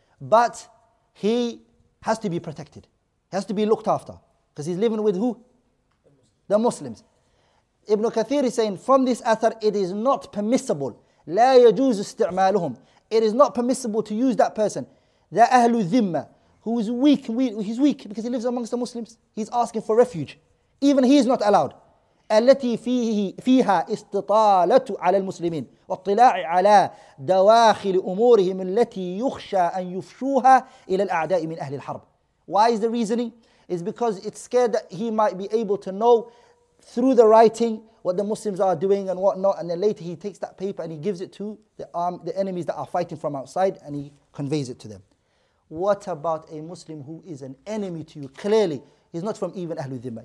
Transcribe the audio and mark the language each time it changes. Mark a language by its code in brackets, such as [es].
[en] But he has to be protected. He has to be looked after. Because he's living with who? The Muslims. Ibn Kathir is saying, from this athar, it is not permissible. [ar] لا يجوز استعمالهم. [en] It is not permissible to use that person, the Ahlul Dhimma, who is weak. He's weak because he lives amongst the Muslims. He's asking for refuge. Even he is not allowed. [ar] التي فيها استطالة على المسلمين واطلاع على دواخل أمورهم التي يخشى أن يفشوها إلى الأعداء من أهل الحرب. [en] Why is the reasoning? It's because it's scared that he might be able to know through the writing what the Muslims are doing and what not, and then later he takes that paper and he gives it to the enemies that are fighting from outside and he conveys it to them. What about a Muslim who is an enemy to you? Clearly, he's not from even Ahlul Dhimma.